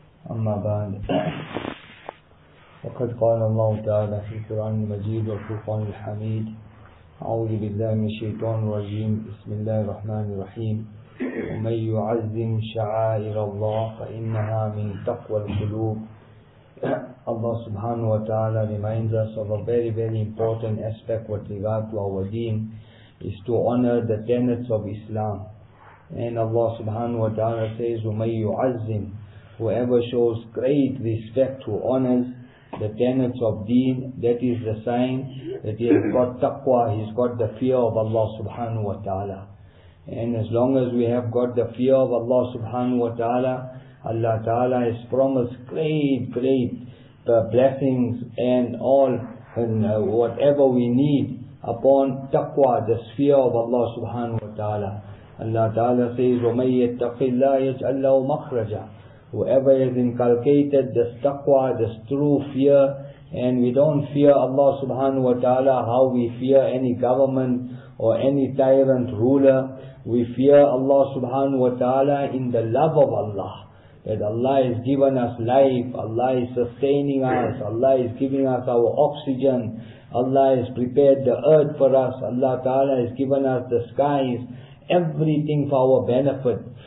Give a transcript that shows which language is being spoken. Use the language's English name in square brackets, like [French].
[Arabic] أما بعد، وقد قال الله تعالى في القرآن المجيد والفرقان الحميد: أعوذ بالله من الشيطان الرجيم، بسم الله الرحمن الرحيم. ومن يعظم شعائر الله فإنها من تقوى القلوب. [English] Allah subhanahu wa ta'ala reminds us of a very, very important aspect with regard to our deen, is to honor the tenets of Islam. And Allah subhanahu wa ta'ala says, [Arabic] وَمَنْ يُعَزِّمْ, [English] whoever shows great respect, who honors the tenets of deen, that is the sign that he has got taqwa, he's got the fear of Allah subhanahu wa ta'ala. And as long as we have got the fear of Allah subhanahu wa ta'ala, Allah ta'ala has promised great, great blessings and whatever we need upon taqwa, the sphere of Allah subhanahu wa ta'ala. Allah ta'ala says, [Arabic] وَمَنْ يَتَّقِ اللَّهِ يَجْعَلْ لَهُ مَخْرَجًا. [English] Whoever has inculcated this taqwa, this true fear, and we don't fear Allah subhanahu wa ta'ala how we fear any government or any tyrant ruler. We fear Allah subhanahu wa ta'ala in the love of Allah. That Allah has given us life, Allah is sustaining us, Allah is giving us our oxygen, Allah has prepared the earth for us, Allah Ta'ala has given us the skies, everything for our benefit.